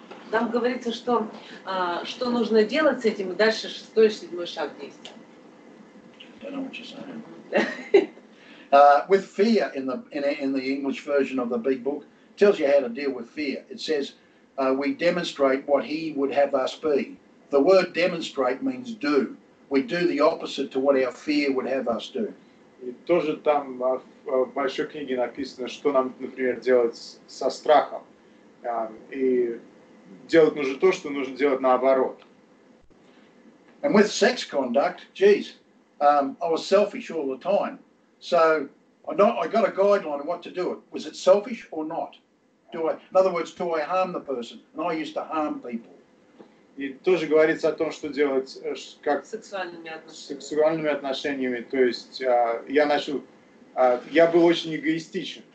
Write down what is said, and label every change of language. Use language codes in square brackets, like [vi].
[ru] Там говорится, что нужно делать с этим, и дальше шестой, седьмой шаг действия. [en] I don't know what you're saying. With fear in the English version of the big book, it tells you how to deal with fear. It says, we demonstrate what he would have us be. The word demonstrate means do. We do the opposite to what our fear would have us do. [ru] И тоже там в большой книге написано, что нам, например, делать со страхом. И делать нужно то, что нужно делать наоборот. [en] And with sex conduct, geez, I was selfish all the time. So I got a guideline on what to do. It was it selfish or not? Do I, in other words, do I harm the person? And I used to harm people. [ru] И тоже говорится о том, что делать как сексуальными отношениями. То есть я начал, я был очень эгоистичен.